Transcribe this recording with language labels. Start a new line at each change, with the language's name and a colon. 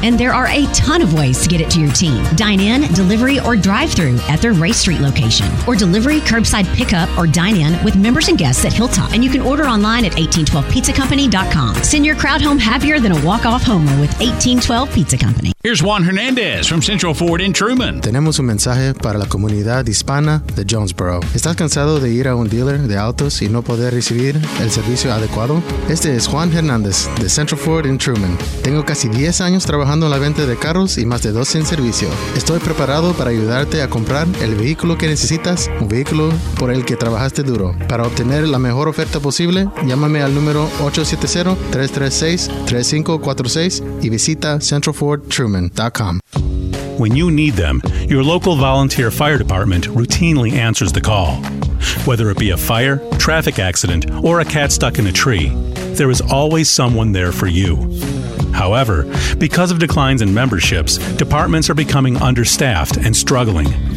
English: And there are a ton of ways to get it to your team. Dine-in, delivery, or drive-through at their Race Street location. Or delivery, curbside pickup, or dine-in with members and guests at Hilltop. And you can order online at 1812pizzacompany.com. Send your crowd home happier than a walk-off homer with 1812 Pizza Company. Here's Juan Hernandez from Central Ford in Truman.
Spanish: Tenemos un mensaje para la comunidad hispana de Jonesboro. ¿Estás cansado de ir a un dealer de autos y no poder recibir el servicio adecuado? Este es Juan Hernandez de Central Ford in Truman. Tengo casi 10 años trabajando en la venta de carros y más de 12 en servicio. Estoy preparado para ayudarte a comprar el vehículo que necesitas, un vehículo por el que trabajaste duro. Para obtener la mejor oferta posible, llámame al número 870-336-3546 y visita Central Ford Truman.
English: When you need them, your local volunteer fire department routinely answers the call. Whether it be a fire, traffic accident, or a cat stuck in a tree, there is always someone there for you. However, because of declines in memberships, departments are becoming understaffed and struggling.